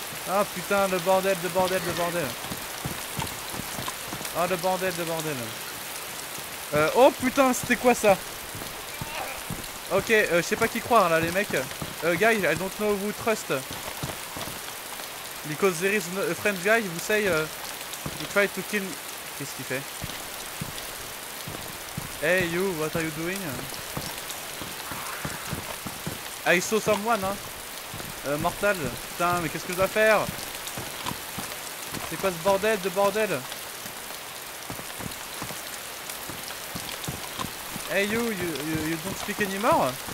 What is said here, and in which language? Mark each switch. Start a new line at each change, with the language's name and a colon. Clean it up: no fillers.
French: Ah oh, putain, le bordel. Ah oh, le bordel. Oh putain, c'était quoi ça? Ok, je sais pas qui croire là, les mecs.
English: Guys, I don't know who trust. Because there is a French guy who say he tried to kill...
French: Qu'est-ce qu'il fait?
English: Hey you, what are you doing? I saw someone, hein.
French: Mortal, putain, mais qu'est-ce que je dois faire? C'est quoi ce bordel de bordel?
English: Hey you don't speak anymore?